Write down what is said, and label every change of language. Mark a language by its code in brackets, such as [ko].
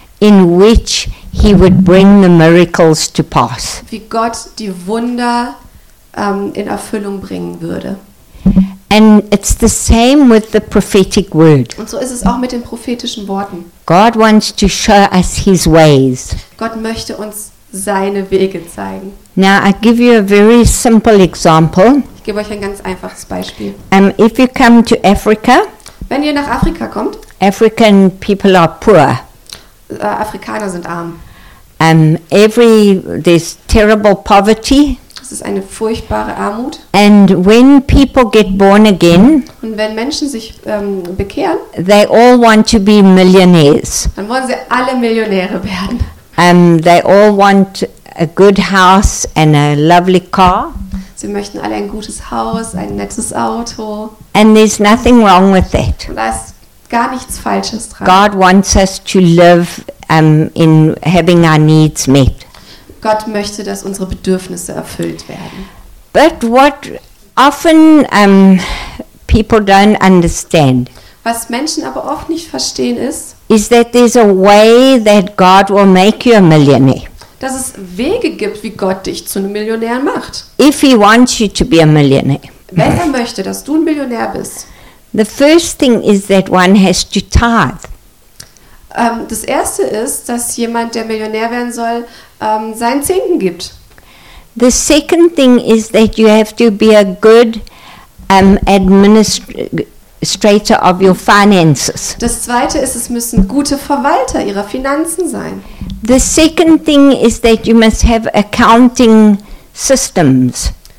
[en] in which he would bring the miracles to pass. [de] Wie Gott die Wunder in Erfüllung bringen würde. [en] And it's the same with the prophetic word. [de] Und so ist es auch mit den prophetischen Worten. [en] God wants to show us his ways. [de] Gott möchte uns seine Wege zeigen. [en] Now I give you a very simple example. [de] Ich gebe euch ein ganz einfaches Beispiel. [en] If you come to Africa. [de] Wenn ihr nach Afrika kommt. [en] African people are poor. [de] Afrikaner sind arm. [en] There's terrible poverty. [de] Das ist eine furchtbare Armut. [en] And when people get born again, [de] und wenn Menschen sich bekehren, [en] they all want to be millionaires. [de] Dann wollen sie alle Millionäre werden. [en] They all want a good house and a lovely car. [de] Sie möchten alle ein gutes Haus, ein nettes Auto. [en] And there's nothing wrong with that. [de] Gar nichts Falsches dran. [en] God wants us to live in having our needs met. [de] Gott möchte, dass unsere Bedürfnisse erfüllt werden. [en] But what often people don't understand. [de] Was Menschen aber oft nicht verstehen ist, [en] is that there's a way that God will make you a millionaire. [de] Dass es Wege gibt, wie Gott dich zu einem Millionär macht. [en] If he wants you to be a millionaire. [de] Wenn er möchte, dass du ein Millionär bist. [en] The first thing is that one has to tithe. [de] Das erste ist, dass jemand, der Millionär werden soll, seinen Zehnten gibt. [en] The second thing is that you have to be a good administrator of your finances. [de] Das zweite ist, es müssen gute Verwalter ihrer Finanzen sein. [en] The second thing is that you must have accounting systems.